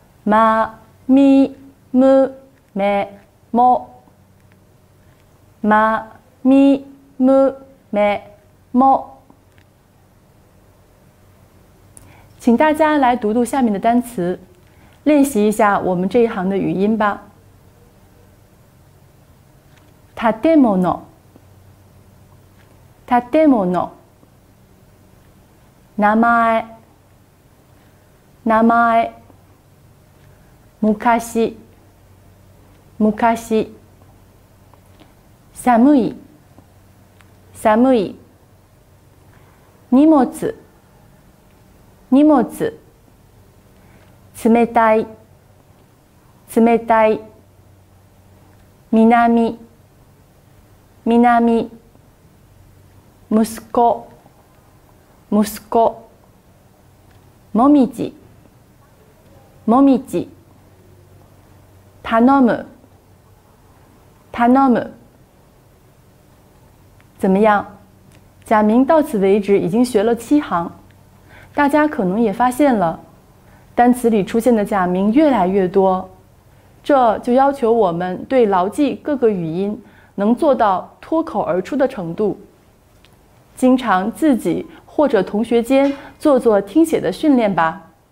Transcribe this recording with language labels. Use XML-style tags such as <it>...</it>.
<ja>ma mi mu me mo ma mi mu me mo。</ja> <zh>请大家来读读下面的单词，练习一下我们这一行的语音吧。</zh> <ja>建物、建物、名前、名前、昔、昔、寒い、寒い、荷物、荷物、冷たい、冷たい、南、南、息子、息子、もみじ、もみじ、頼む、頼む。</ja> <zh>怎么样？贾明到此为止已经学了七行，大家可能也发现了，单词里出现的贾明越来越多，这就要求我们对牢记各个语音能做到脱口而出的程度，经常自己或者同学间做做听写的训练吧。</zh>